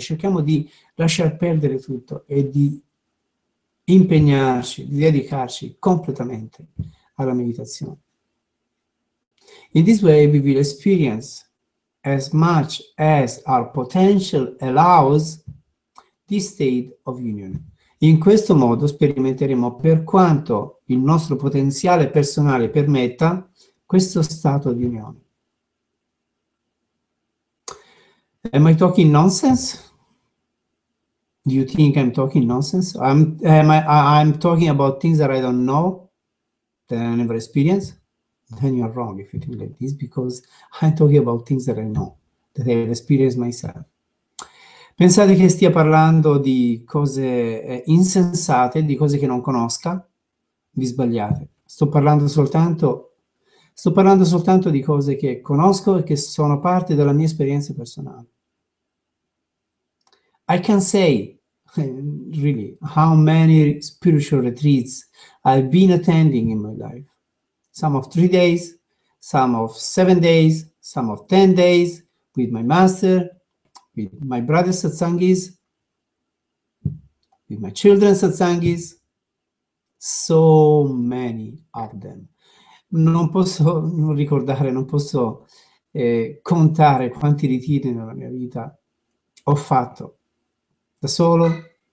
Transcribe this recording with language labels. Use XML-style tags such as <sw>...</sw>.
<it>Cerchiamo di lasciar perdere tutto e di impegnarci, di dedicarci completamente alla meditazione.</it> <en>In this way we will experience as much as our potential allows this state of union.</en> <it>In questo modo sperimenteremo per quanto il nostro potenziale personale permetta questo stato di unione.</it> <en>Am I talking nonsense? Do you think I'm talking nonsense? I'm talking about things that I don't know, that I never experienced. Then you are wrong if you think like this, because I'm talking about things that I know, that I have experienced myself.</en> <it>Pensate che stia parlando di cose insensate, di cose che non conosca? Vi sbagliate. Sto parlando soltanto di cose che conosco e che sono parte della mia esperienza personale.</it> <en>I can say really, how many spiritual retreats I've been attending in my life? Some of 3 days, some of 7 days, some of 10 days with my master, with my brother satsangis, my children satsangis. So many of them.</en> <it>Non posso contare quanti ritiri nella mia vita ho fatto da solo.</it>